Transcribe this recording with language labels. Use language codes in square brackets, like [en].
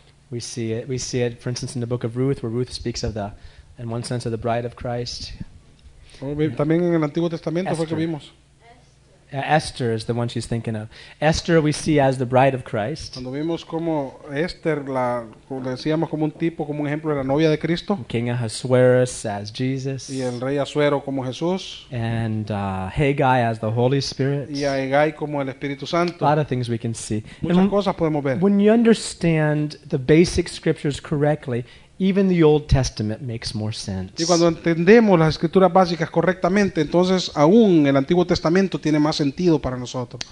[en] We see it, for instance, in the book of Ruth, where Ruth speaks of the, in one sense, of the bride of Christ. [es] También en el Antiguo Testamento fue que vimos. [en] Esther is the one she's thinking of. Esther we see as the bride of Christ. [es] Cuando vimos como Esther, la decíamos como un tipo, como un ejemplo de la novia de Cristo. [en] King Ahasuerus as Jesus. [es] Y el rey Asuero como Jesús. [en] And Haggai as the Holy Spirit. [es] Y a Haggai como el Espíritu Santo. [en] A lot of things we can see. [es] Muchas cosas podemos ver. [en] When you understand the basic scriptures correctly, even the Old Testament makes more sense. [es] Y cuando entendemos las escrituras básicas correctamente, entonces aún el Antiguo Testamento tiene más sentido para nosotros.